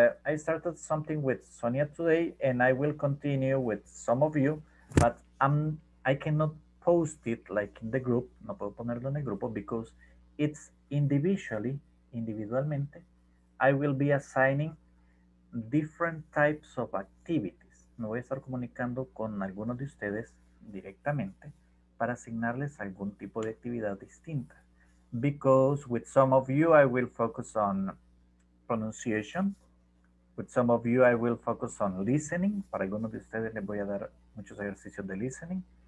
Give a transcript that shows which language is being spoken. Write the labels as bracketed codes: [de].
[en] I started something with Sonia today, and I will continue with some of you, but I cannot post it like in the group, [es] no puedo ponerlo en el grupo, [en] because it's individualmente, I will be assigning different types of activities. [es] Me voy a estar comunicando con algunos de ustedes directamente para asignarles algún tipo de actividad distinta. [en] Because with some of you, I will focus on pronunciation. With some of you, I will focus on listening. [es] Para algunos de ustedes les voy a dar muchos ejercicios de listening.